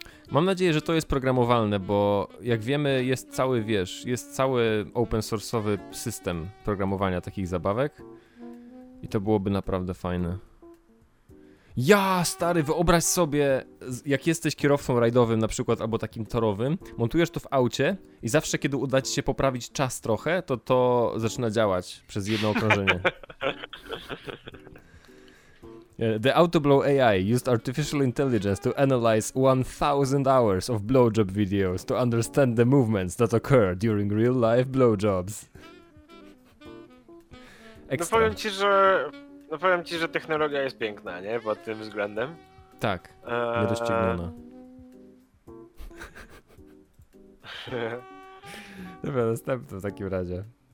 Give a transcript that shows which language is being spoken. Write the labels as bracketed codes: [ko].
[pl] Mam nadzieję, że to jest programowalne, bo jak wiemy, jest cały, wiesz, jest cały open source'owy system programowania takich zabawek i to byłoby naprawdę fajne. Ja, stary, wyobraź sobie, jak jesteś kierowcą rajdowym na przykład, albo takim torowym, montujesz to w aucie i zawsze, kiedy uda ci się poprawić czas trochę, to zaczyna działać przez jedno okrążenie. [en] The Autoblow AI used artificial intelligence to analyze 1,000 hours of blowjob videos to understand the movements that occur during real-life blowjobs. [pl] Ekstra. No powiem ci, że technologia jest piękna, nie? Pod tym względem. Tak, nierozciągnięta. Dobra, następny w takim razie.